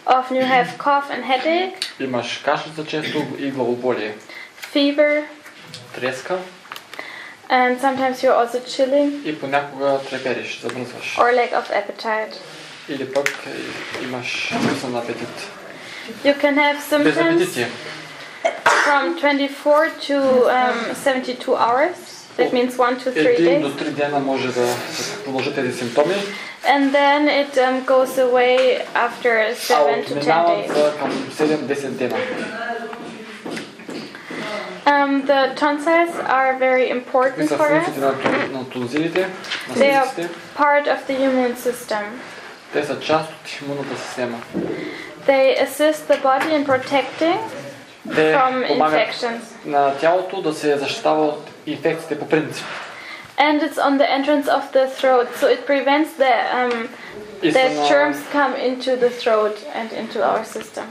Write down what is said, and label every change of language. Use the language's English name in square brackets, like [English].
[English] Often you have cough and headache. [Bulgarian] Имаш кашлица често и главоболие. [English] Fever. [Bulgarian] Треска. [English] And sometimes you're also chilling. [Bulgarian] И понякога трепериш, замръзваш. [English] Or lack of appetite. [Bulgarian] Или пък имаш липса на апетит. [English] You can have symptoms from 24 to 72 hours. That means 1 to 3 days. [Bulgarian] Може да продължи тези симптоми. [English] And then it goes away after 7 to 10 days. [Bulgarian] 7-10 дена. [English] The tonsils are very important for us. [Bulgarian] На тонзилите, на [English] They are part of the immune system. [Bulgarian] Те са част от имунната система. [English] They assist the body in protecting from infections. [Bulgarian] На тялото да се защитава от инфекциите по принцип. [English] And it's on the entrance of the throat, so it prevents the that germs come into the throat and into our system.